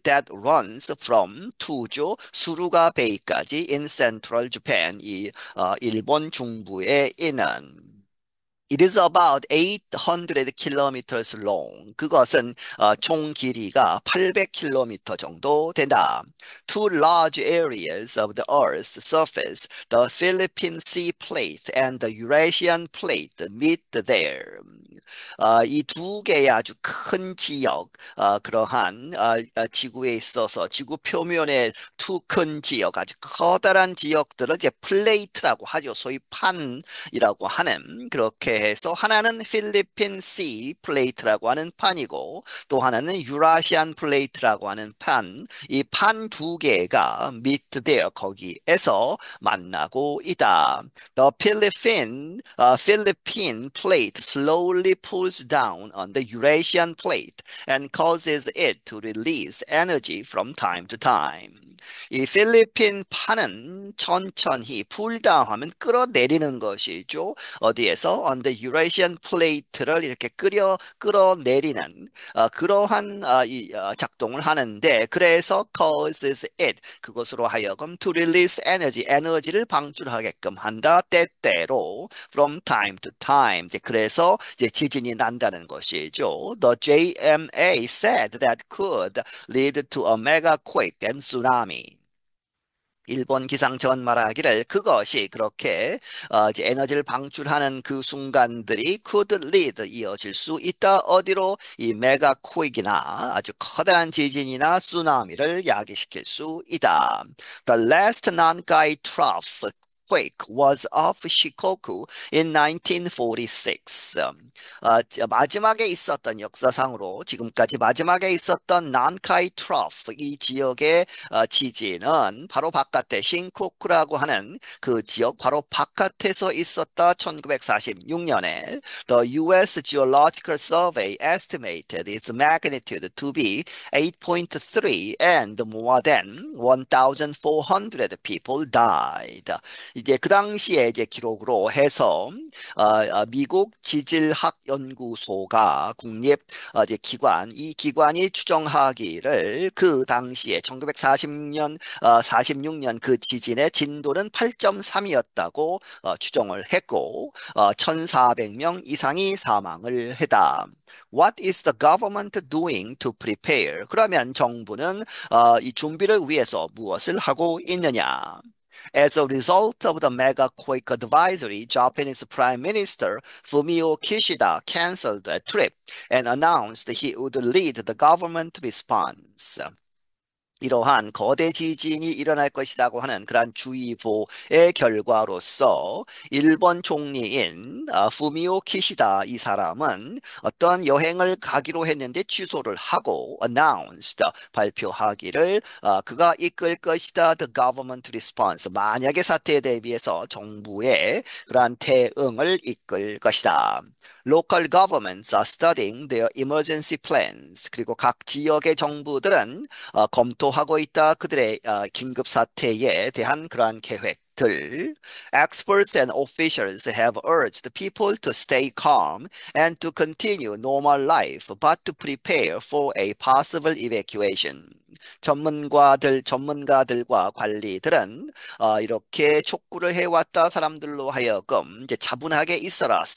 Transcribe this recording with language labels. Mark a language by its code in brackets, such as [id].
[en] That runs from to죠. [ko] 수루가 베이까지 [en] in central Japan [ko] 이 일본 중부에 있는 [en] It is about 800 kilometers long. [ko] 그것은 총 길이가 800km 정도 된다. [en] Two large areas of the Earth's surface, the Philippine Sea Plate and the Eurasian Plate, meet there. [ko] 이두 개의 아주 큰 지역, 그러한 지구에 있어서 지구 표면의 두큰 지역, 아주 커다란 지역들을 이제 플레이트라고 하죠. 소위 판이라고 하는 그렇게 해서 하나는 필리핀 씨 플레이트라고 하는 판이고 또 하나는 유라시안 플레이트라고 하는 판. 이판두 개가 [en] meet there [ko] 거기에서 만나고 있다. [en] The Philippine plate slowly pulls down on the Eurasian plate and causes it to release energy from time to time. [ko] 이 필리핀 판은 천천히 풀다 하면 끌어내리는 것이죠. 어디에서? [en] On the Eurasian plate [ko] 를 이렇게 끌어내리는 그러한 작동을 하는데 그래서 [en] causes it [ko] 그것으로 하여금 [en] to release energy [ko] 에너지를 방출하게끔 한다 때때로 [en] from time to time [ko] 이제 그래서 이제 지진이 난다는 것이죠. [en] The JMA said that could lead to a mega quake and tsunami. [ko] 일본 기상청은 말하기를 그것이 그렇게 이제 에너지를 방출하는 그 순간들이 [en] could lead [ko] 이어질 수 있다 어디로 이 메가 퀘이크나 아주 커다란 지진이나 쓰나미를 야기시킬 수 있다. [en] The last Nankai Trough quake was off Shikoku in 1946. [ko] 마지막에 있었던 역사상으로 지금까지 마지막에 있었던 난카이 트러프 이 지역의 지진은 바로 바깥에 신코쿠라고 하는 그 지역 바로 바깥에서 있었다. 1946년에 [en] The US Geological Survey estimated its magnitude to be 8.3 and more than 1,400 people died. [ko] 이제 그 당시에 이제 기록으로 해서 미국 지질학 연구소가 국립 이제 기관 이 기관이 추정하기를 그 당시에 1940년 46년 그 지진의 진도는 8.3이었다고 추정을 했고 1,400명 이상이 사망을 했다. [en] What is the government doing to prepare? [ko] 그러면 정부는 이 준비를 위해서 무엇을 하고 있느냐? [en] As a result of the mega quake advisory, Japanese Prime Minister Fumio Kishida canceled the trip and announced he would lead the government response. [ko] 이러한 거대 지진이 일어날 것이라고 하는 그러한 주의보의 결과로서 일본 총리인 후미오 키시다 이 사람은 어떤 여행을 가기로 했는데 취소를 하고 announced 발표하기를 그가 이끌 것이다. [en] The government response. [ko] 만약에 사태에 대비해서 정부의 그러한 대응을 이끌 것이다. [en] Local governments are studying their emergency plans. [ko] 그리고 각 지역의 정부들은 검토하고 있다. 그들의 긴급 사태에 대한 그러한 계획들. [en] Experts and officials have urged people to stay calm and to continue normal life, but to prepare for a possible evacuation. [ko] 전문가들과 관리들은 이렇게 촉구를 해왔다. 사람들로 하여금 이제 차분하게 있어라.